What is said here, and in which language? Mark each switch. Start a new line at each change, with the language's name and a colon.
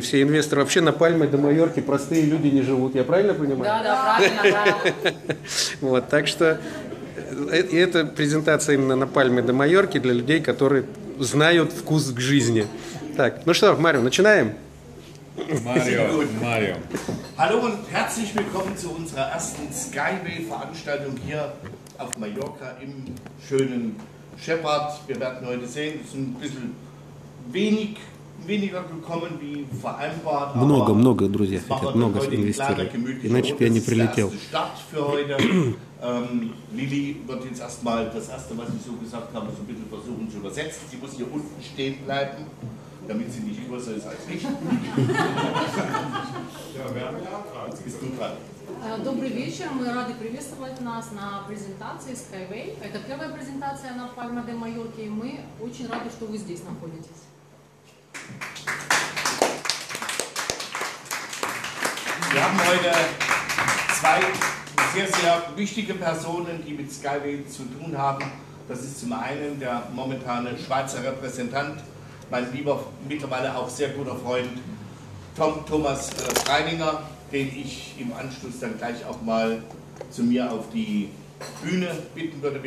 Russian: Все инвесторы вообще на Пальме де Майорке простые люди не живут. Я правильно понимаю? Да, правильно. Вот, так что это презентация именно на Пальме де Майорке для людей, которые знают вкус к жизни. Так, ну что, Марио, начинаем? Марио.
German: Hallo und herzlich willkommen zu unserer ersten Skyway-Veranstaltung hier auf Mallorca im schönen Shepard. Wir werden heute sehen, es ist ein bisschen weniger gekommen, wie vereinbart.
Russian: Много, друзья, хотят много инвестировать, иначе бы я не прилетел.
German: Das ist der erste Start für heute. Lili wird jetzt erstmal das Erste, was ich so gesagt habe, so ein bisschen versuchen zu übersetzen. Sie muss hier unten stehen bleiben, damit sie nicht größer ist als ich. Ja, wer hat gerade? Jetzt bist du dran.
Russian: Добрый вечер, мы рады приветствовать нас на презентации Skyway. Это первая презентация на Пальма де Майорке, и мы очень рады, что вы здесь находитесь.
German: Wir haben heute zwei sehr, sehr wichtige Personen, die mit Skyway zu tun haben. Das ist zum einen der momentane Schweizer Repräsentant, mein lieber, mittlerweile auch sehr guter Freund, Thomas Reininger, den ich im Anschluss dann gleich auch mal zu mir auf die Bühne bitten würde.